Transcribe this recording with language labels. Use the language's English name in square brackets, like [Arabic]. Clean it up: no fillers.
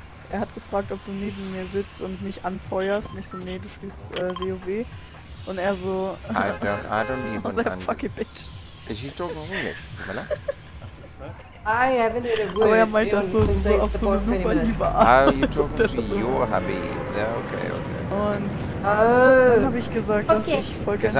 [German] Hat gefragt, ob du neben mir sitzt und mich anfeuerst. Nicht so, nee, du spielst WoW. Und so... [English] I don't even... What the fuck, you bitch? Is she talking English? I haven't heard a word. [German] Aber er meint das so auf so eine super liebe Art. [English] Are you talking to your hubby? Yeah, okay. [German] Und... Dann habe ich gesagt, dass ich voll gerne